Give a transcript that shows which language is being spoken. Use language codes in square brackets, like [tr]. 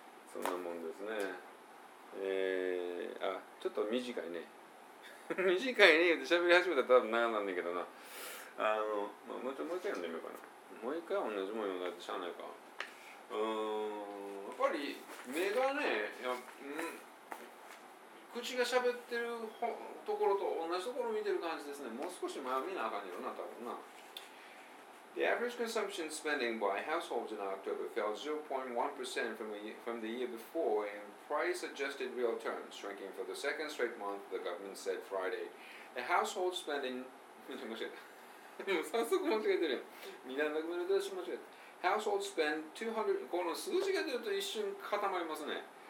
[ja] そんなもんですね。ちょっと短いね短いねって喋り始めたら多分悩んだんだけどな、まあ、もう一回読んでみようかな。もう一回同じもん読んだってしゃあないか。やっぱり目がね、口が喋ってるところと同じところ見てる感じですね。もう少し前見なあかんねんよな、多分な。 [en] The average consumption spending by households in October fell 0.1% from the year before in price-adjusted real terms, shrinking for the second straight month, the government said Friday. The household spending... [ja] 早速間違えてるよ。みんなの中身の出し間違えた。 [en] Household spend 200... [ja] この数字が出ると一瞬固まりますね。